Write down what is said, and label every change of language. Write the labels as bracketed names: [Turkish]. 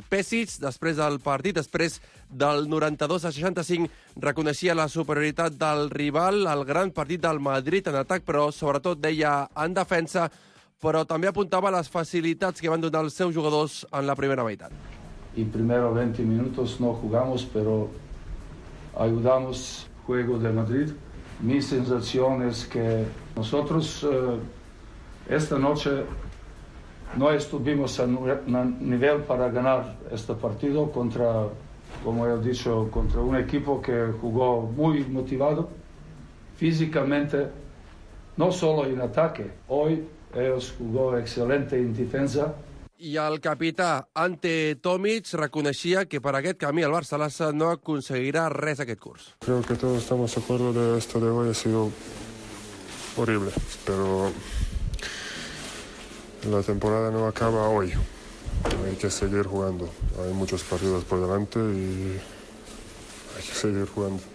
[Catalan] Pessic, després del partit, després del 92-65, reconeixia la superioritat del rival, el gran partit del Madrid en atac, però sobretot deia en defensa, però també apuntava les facilitats que van donar els seus jugadors en la primera meitat. [Spanish] Y primero 20 minutos no jugamos, pero ayudamos el juego de Madrid. Mi sensación es que nosotros esta noche no estuvimos en nivel para ganar este partido contra, como he dicho, contra un equipo que jugó muy motivado físicamente, no solo en ataque. Hoy ellos jugó excelente en defensa. [Catalan] I el capità Ante Tomic reconeixia que per aquest camí el Barça-Lassa no aconseguirà res aquest curs. [Spanish] Creo que todos estamos de acuerdo de esto de hoy. Ha sido horrible, pero la temporada no acaba hoy. Hay que seguir jugando. Hay muchos partidos por delante y hay que seguir jugando.